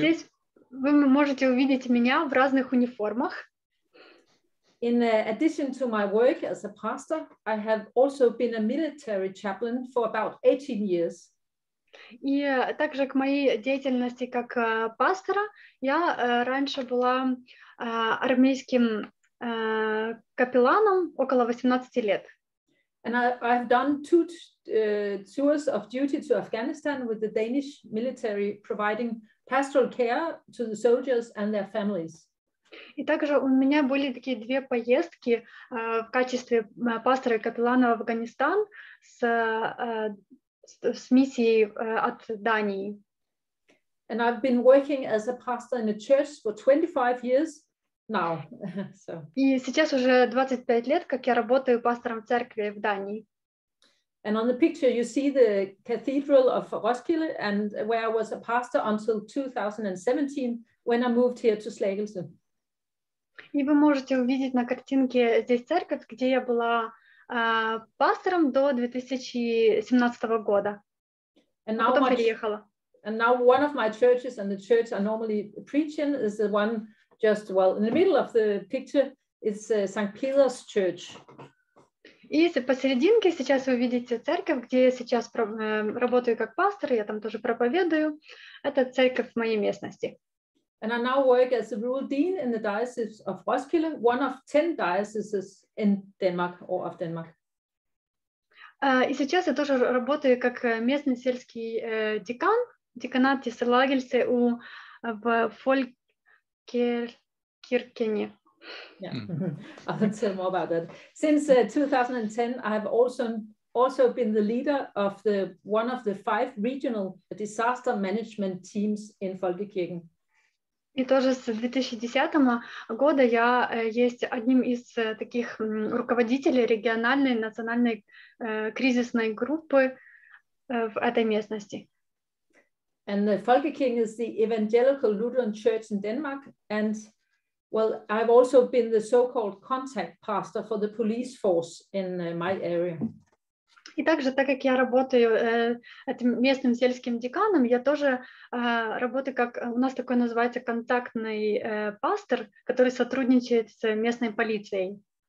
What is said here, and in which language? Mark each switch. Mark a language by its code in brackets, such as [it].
[ru] Здесь вы можете увидеть меня в разных униформах. [en] In addition to my work as a pastor, I have also been a military chaplain for about 18 years. [ru] И также к моей деятельности как пастора, я раньше была армейским капелланом около 18 лет. [en] And I've done two tours of duty to Afghanistan with the Danish military, providing pastoral care to the soldiers and their families. [ru] И также у меня были такие две поездки в качестве пастора и капеллана в Афганистан с миссией от Дании. [en] And I've been working as a pastor in a church for 25 years now. So. [ru] И сейчас уже 25 лет, как я работаю пастором в церкви в Дании. [en] And on the picture you see the cathedral of Roskilde and where I was a pastor until 2017 when I moved here to Slagelse. [ru] И вы можете увидеть на картинке здесь церковь, где я была пастором до 2017 года. [en] And now [ru] потом переехала. [en] And now one of my churches and the church I normally preach in is the one just, well, in the middle of the picture is St. Peter's Church. [ru] И посерединке сейчас вы видите церковь, где я сейчас работаю как пастор, я там тоже проповедую. Это церковь в моей местности. [en] And I now work as a rural dean in the diocese of Roskilde, one of 10 dioceses in Denmark or of Denmark. [ru] И сейчас я тоже работаю как местный сельский декан, деканат Слагельсе в Фолькеркене. [en] Yeah, I'll tell more about that. Since 2010, I have also been the leader of one of the 5 regional disaster management teams in Folkekirken. [ru] И тоже с 2010 года я есть одним из таких руководителей региональной национальной кризисной группы в этой местности. [en] And the Folkekirken is the Evangelical Lutheran Church in Denmark, and well, I've also been the so-called contact pastor for the police force in my area. [ru] И также, так как я работаю этим местным сельским деканом, я тоже работаю как, у нас такой называется, контактный пастор, который сотрудничает с местной полицией.